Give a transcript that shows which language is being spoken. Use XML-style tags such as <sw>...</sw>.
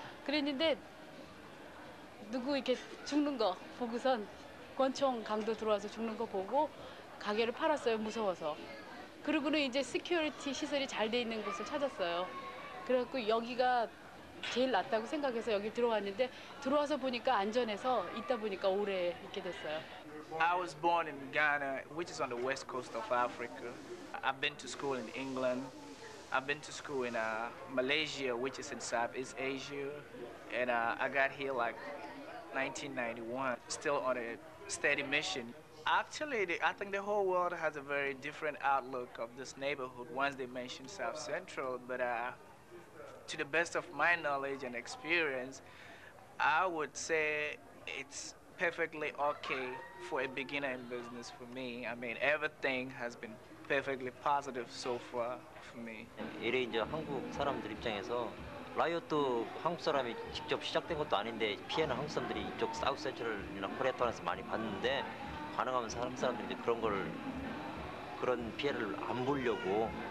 <ko>그랬는데 누구 이렇게 죽는 거 보고선 권총 강도 들어와서 죽는 거 보고 가게를 팔았어요. 무서워서. 그리고는 이제 시큐리티 시설이 잘 돼 있는 곳을 찾았어요. 그래갖고 여기가 제일 낫다고 생각해서 여기 들어왔는데 들어와서 보니까 안전해서 있다 보니까 오래 있게 됐어요.</ko> <en>I was born in Ghana, which is on the west coast of Africa. I've been to school in England. I've been to school in Malaysia, which is in Southeast Asia. And I got here like 1991, still on a steady mission. Actually, I think the whole world has a very different outlook of this neighborhood once they mention South Central, but to the best of my knowledge and experience, I would say it's perfectly okay for a beginner in business for me. I mean, everything has been perfectly positive so far for me.</en> <ko>이래 이제 한국 사람들 입장에서 라이엇도 한국 사람이 직접 시작된 것도 아닌데 피해는 한국 사람들이 이쪽 사우스 센트럴이나 코리아타운에서 많이 봤는데 가능하면 사람들이 이제 그런 피해를 안 보려고</ko>